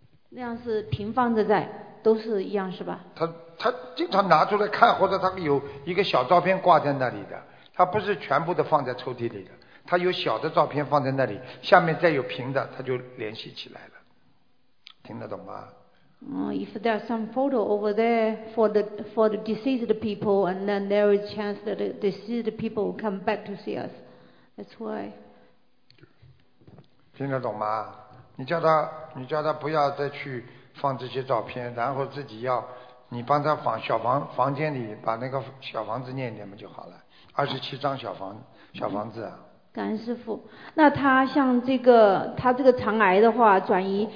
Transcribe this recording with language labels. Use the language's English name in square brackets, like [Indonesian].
[Chinese] 那样是平放着在，都是一样是吧？他经常拿出来看，或者他有一个小照片挂在那里的，他不是全部的放在抽屉里的。他有小的照片放在那里，下面再有平的，他就联系起来了。听得懂吗？ [English] If there are some photo over there for the deceased people, and then there is chance that the deceased people will come back to see us. That's why. [Chinese] 听得懂吗？你叫他不要再去放这些照片，然后自己要你帮他房间里把那个小房子念一念嘛就好了，27张小房子。嗯，感恩师父。那他像这个，他这个肠癌的话转移，